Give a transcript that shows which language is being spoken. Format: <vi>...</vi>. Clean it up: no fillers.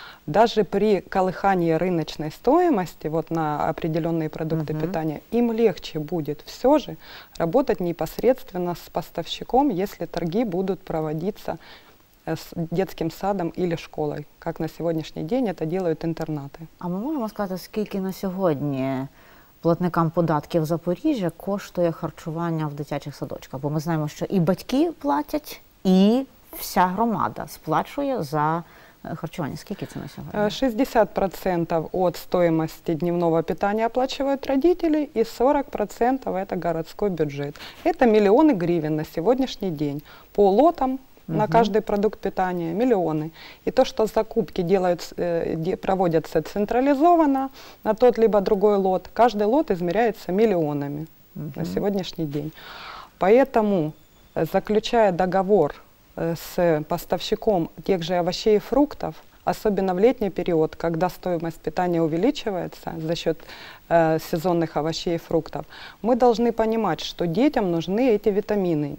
<ru>Даже при колыхании рыночной стоимости вот, на определенные продукты угу. питания, им легче будет все же работать непосредственно с поставщиком, если торги будут проводиться с детским садом или школой, как на сегодняшний день это делают интернаты. А мы можем сказать, сколько на сегодня</ru> <uk>платникам податків Запоріжжя коштує харчування в дитячих садочках? Бо ми знаємо, що і батьки платять, і вся громада сплачує за харчування. Скільки це на сьогодні? 60% від стоїмості дневного питання оплачують батьки, і 40% – це городський бюджет. Це мільйони гривень на сьогоднішній день по лотам.</uk> <ru>На каждый продукт питания миллионы. И то, что закупки делают, проводятся централизованно на тот либо другой лот, каждый лот измеряется миллионами на сегодняшний день. Поэтому, заключая договор с поставщиком тех же овощей и фруктов, особенно в летний период, когда стоимость питания увеличивается за счет сезонных овощей и фруктов, мы должны понимать, что детям нужны эти витамины.</ru>